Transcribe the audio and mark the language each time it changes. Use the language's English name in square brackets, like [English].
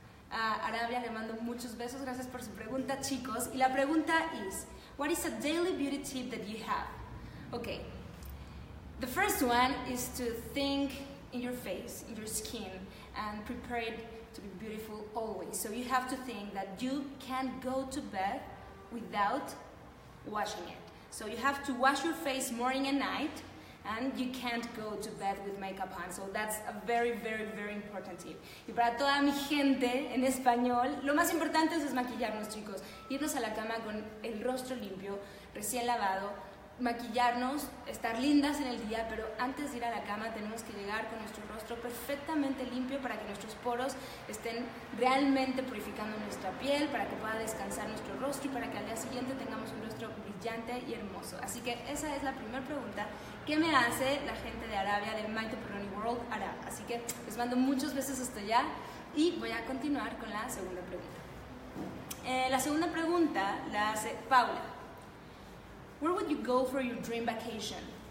[Spanish] Arabia, le mando muchos besos, gracias por su pregunta, chicos. Y la pregunta es, [English] what is a daily beauty tip that you have? Okay, the first one is to think in your face, in your skin, and prepare it to be beautiful always. So you have to think that you can't go to bed without washing it. So you have to wash your face morning and night, and you can't go to bed with makeup on. So that's a very, very, very important tip. [Spanish] Y para toda mi gente en español, lo más importante es desmaquillarnos, chicos. Irnos a la cama con el rostro limpio, recién lavado, maquillarnos, estar lindas en el día, pero antes de ir a la cama tenemos que llegar con nuestro rostro perfectamente limpio para que nuestros poros estén realmente purificando nuestra piel, para que pueda descansar nuestro rostro y para que al día siguiente tengamos un rostro brillante y hermoso. Así que esa es la primera pregunta que me hace la gente de Arabia, de Maite Perroni World Arab. Así que les mando muchos besos hasta allá y voy a continuar con la segunda pregunta. La segunda pregunta la hace Paula. [English] Where would you go for your dream vacation?